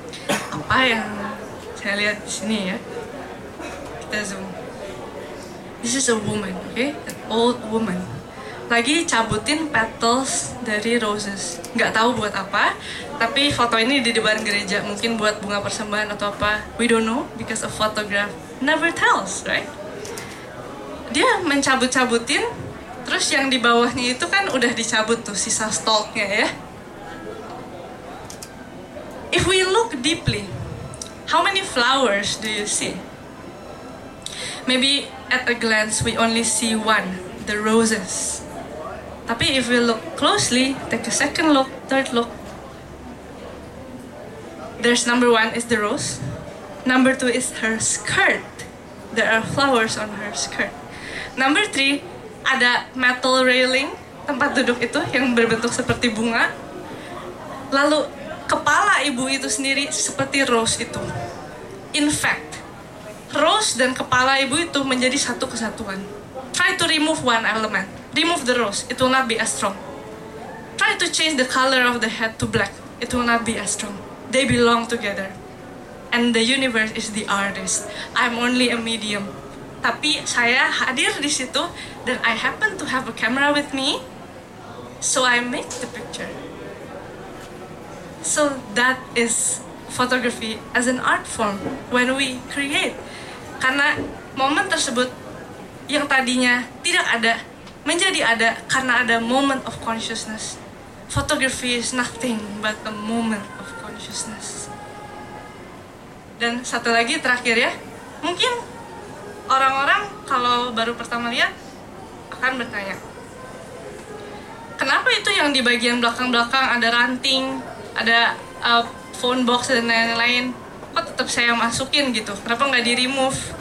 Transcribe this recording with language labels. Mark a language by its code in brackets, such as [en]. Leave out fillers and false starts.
[id] Apa yang saya lihat di sini ya? Kita zoom. [en] This is a woman, okay? An old woman. [id] Lagi cabutin petals dari roses. Gak tahu buat apa, tapi foto ini di depan gereja. Mungkin buat bunga persembahan atau apa. [en] We don't know, because a photograph never tells, right? [id] Dia mencabut-cabutin, terus yang di bawahnya itu kan udah dicabut tuh, sisa stalknya ya. [en] If we look deeply, how many flowers do you see? Maybe at a glance we only see one, the roses. [id] Tapi [en] if we look closely, take a second look, third look. There's number one is the rose. Number two is her skirt. There are flowers on her skirt. [id] Number three, ada metal railing, tempat duduk itu yang berbentuk seperti bunga. Lalu kepala ibu itu sendiri seperti rose itu. [en] In fact, [id] rose dan kepala ibu itu menjadi satu kesatuan. [en] Try to remove one element. Remove the rose, it will not be as strong. Try to change the color of the head to black, it will not be as strong. They belong together. And the universe is the artist. I'm only a medium. [id] Tapi saya hadir di situ, dan [en] I happen to have a camera with me, so I make the picture. So that is photography as an art form, when we create. [id] Karena momen tersebut yang tadinya tidak ada, menjadi ada karena ada [en] moment of consciousness. Photography is nothing but a moment of consciousness. [id] Dan satu lagi terakhir ya, mungkin orang-orang kalau baru pertama lihat akan bertanya, kenapa itu yang di bagian belakang-belakang ada ranting, ada phone box dan lain-lain, kok tetap saya masukin gitu, kenapa nggak di remove?